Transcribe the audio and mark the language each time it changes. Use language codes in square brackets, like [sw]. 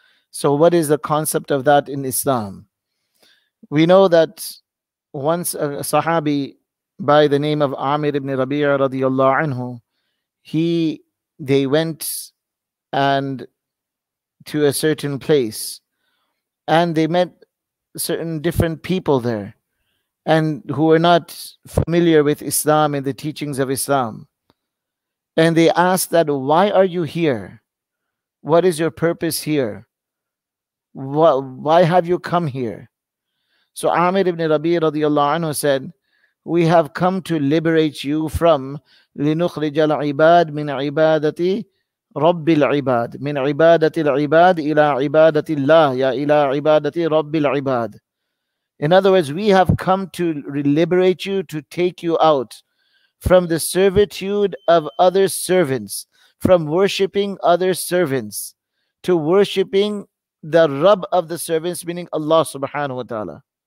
[en] So what is the concept of that in Islam? We know that once a Sahabi by the name of Amir ibn Rabi'a radiallahu anhu, they went and to a certain place, and they met certain different people there, and who were not familiar with Islam and the teachings of Islam. And they asked that, why are you here? What is your purpose here? Why have you come here? So Amir ibn Rabi'a radiallahu anhu said, we have come to liberate you from [ar] لِنُخْرِجَ الْعِبَادِ مِنْ عِبَادَةِ رَبِّ الْعِبَادِ مِنْ عِبَادَةِ الْعِبَادِ إِلَىٰ عِبَادَةِ اللَّهِ يَا إِلَىٰ عِبَادَةِ رَبِّ الْعِبَادِ. [en] In other words, we have come to liberate you, to take you out from the servitude of other servants, from worshipping other servants, to worshipping the Rabb of the servants, meaning Allah subhanahu wa ta'ala.